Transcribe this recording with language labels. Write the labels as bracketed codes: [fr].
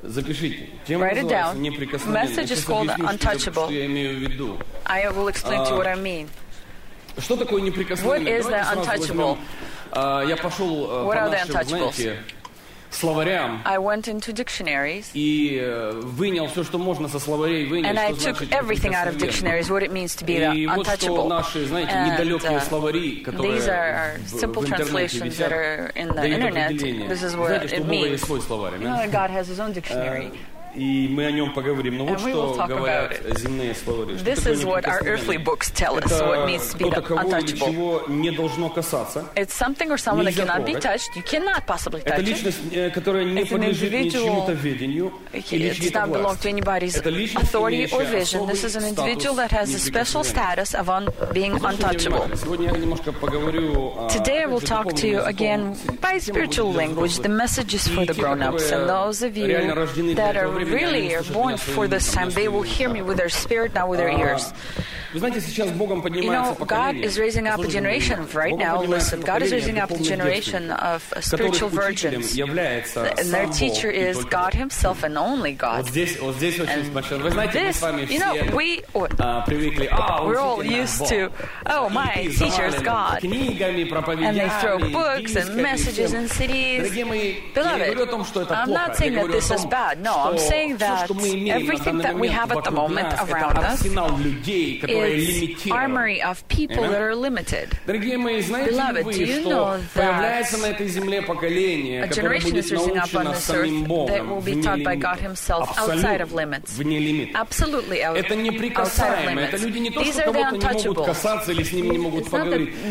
[en] Write it down. Message is called Untouchable. I will explain to you what I mean. What is the Untouchable? What are the Untouchables? [ru] Словарям. [en] I went into dictionaries. [ru] И вынял все, что можно со словарей вынять. [en] And I took everything out of dictionaries. What it means to be untouchable. [ru] И вот наши, знаете, недалекие словари, которые [en] these are our simple translations that are in the internet. This is what it means. [ru] Свой словарь, [en] you know, God has His own dictionary. [ru] И мы о нем поговорим. Но вот что говорят земные словари. [en] This is what our earthly books tell us. What means to be untouchable. [ru] Это не должно касаться. [en] It's something or someone that cannot be touched. You cannot possibly touch it. [ru] Это личность, которая не подлежит чьему-то ведению или чьей-то власти. [en] It does not belong to anybody's authority or vision. This is an individual that has a special status of being untouchable. [ru] Сегодня я немножко поговорю. [en] Today I will talk to you again by spiritual language. The message is for the grown-ups and those of you that are really are born for this time, they will hear me with their spirit, not with their ears. You know, God is raising up a generation of, right now, listen, God is raising up a generation of spiritual virgins. And their teacher is God himself and only God. And this, you know, we're all used to, oh, my teacher is God. And they throw books and messages in cities. Beloved, I'm not saying that this is bad. No, I'm saying that everything that we have at the moment around us is its armory of people Amen. That are limited. [ru] Дорогие мои, знаете [en] Beloved, [ru] ли вы, что появляется на этой земле поколение, которое будет научено самим Богом вне лимитов? Вне лимитов. [en] Absolutely. [ru] Это неприкасаемо. Это люди не то, что кого-то не могут касаться или с ними не могут поговорить.